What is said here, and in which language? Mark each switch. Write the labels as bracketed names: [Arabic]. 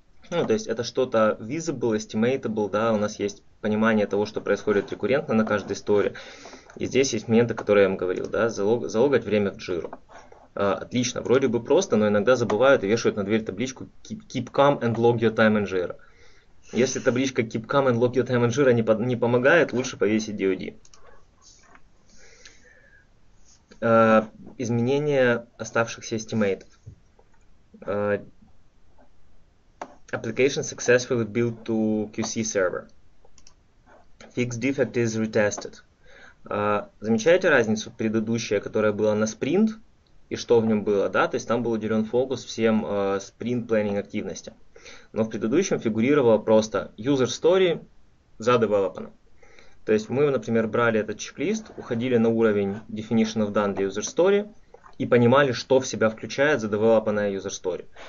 [Russian] Ну, то есть это что-то visible, estimatable, да, у нас есть понимание того, что происходит рекуррентно на каждой истории. И здесь есть моменты, которые я вам говорил, да, залогать время в Jira. Отлично, вроде бы просто, но иногда забывают и вешают на дверь табличку [English] keep calm and log your time in Jira. [Russian] Если табличка [English] keep calm and log your time in Jira [Russian] не помогает, лучше повесить DoD. Изменение оставшихся estimated. [English] Application successfully built to QC server. Fixed defect is retested. [Russian] Замечаете разницу предыдущая, которая была на спринт, и что в нем было, да? То есть там был уделен фокус всем спринт планинг активностям. Но в предыдущем фигурировало просто user story за девелопера. То есть мы, например, брали этот чек-лист, уходили на уровень definition of done для user story и понимали, что в себя включает задевелопанная user story.